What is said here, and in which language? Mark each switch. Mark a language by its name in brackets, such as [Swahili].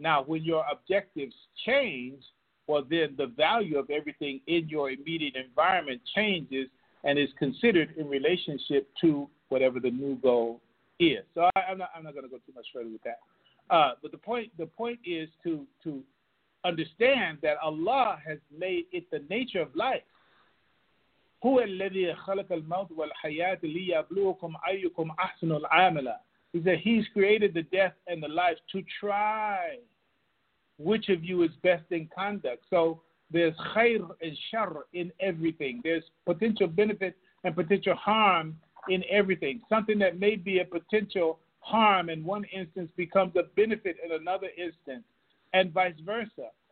[English] Now, when your objectives change, well, then the value of everything in your immediate environment changes and is considered in relationship to whatever the new goal is. So I'm not going to go too much further with that. But the point is to understand that Allah has made it the nature of life. [Arabic] هو الذي خلق الموت والحياة ليبلوكم أيكم أحسن العمل. [English] He said he's created the death and the life to try which of you is best in conduct. So there's khair and shar in everything. There's potential benefit and potential harm in everything. Something that may be a potential harm in one instance becomes a benefit in another instance, and vice versa.